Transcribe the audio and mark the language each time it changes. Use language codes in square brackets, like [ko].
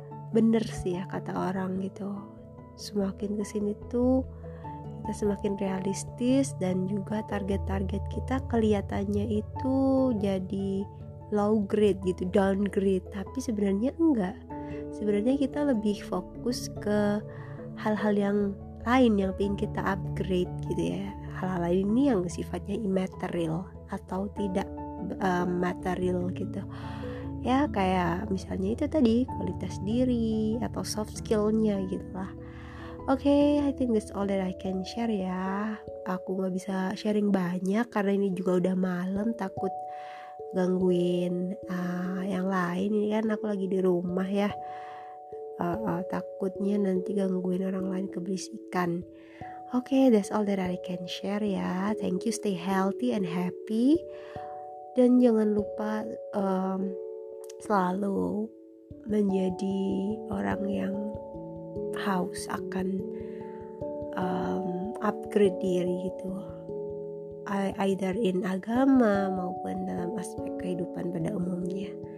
[id] bener sih ya kata orang gitu, semakin kesini tuh kita semakin realistis dan juga target-target kita kelihatannya itu jadi low grade gitu, downgrade, tapi sebenarnya enggak. Sebenarnya kita lebih fokus ke hal-hal yang lain yang ingin kita upgrade gitu ya. Hal-hal lain ini yang sifatnya immaterial atau tidak material gitu. Ya kayak misalnya itu tadi, kualitas diri atau soft skill-nya gitu lah. [en] Oke, okay, I think that's all that I can share ya. [id] Aku gak bisa sharing banyak karena ini juga udah malam, takut gangguin yang lain. Ini kan aku lagi di rumah ya, takutnya nanti gangguin orang lain keberisikan. [en] Oke, okay, that's all that I can share ya. Thank you, stay healthy and happy. [id] Dan jangan lupa selalu menjadi orang yang haus akan upgrade diri gitu, [en] either in [id] agama maupun dalam aspek kehidupan pada umumnya.